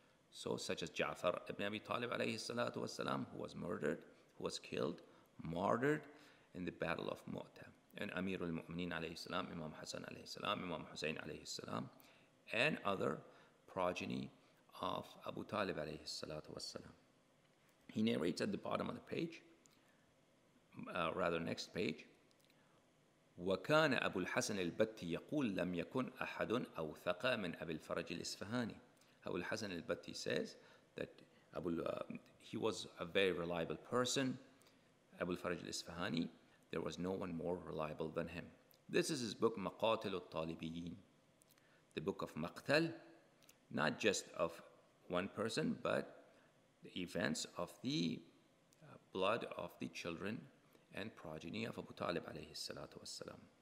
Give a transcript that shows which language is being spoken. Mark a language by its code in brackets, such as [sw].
[en] So such as Ja'far ibn Abi Talib alayhi salatu wasalam, who was murdered, who was killed, martyred in the Battle of Mu'tah, and Amir al-Mu'mineen alayhi salam, Imam Hassan alayhi salam, Imam Hussein alayhi salam, and other progeny of Abu Talib alayhi salatu wasalam. He narrates at the bottom of the page, next page, [ar] وكان أبو الحسن البتي يقول لم يكن أحد أوثق من أبي الفرج الإصفهاني. [en] أبو الحسن البتي says that he was a very reliable person, أبو الفرج الإصفهاني. There was no one more reliable than him. This is his book مقاتل الطالبيين, the book of مقتل, not just of one person, but the events of the blood of the children and progeny of Abu Talib alayhi salatu wassalam.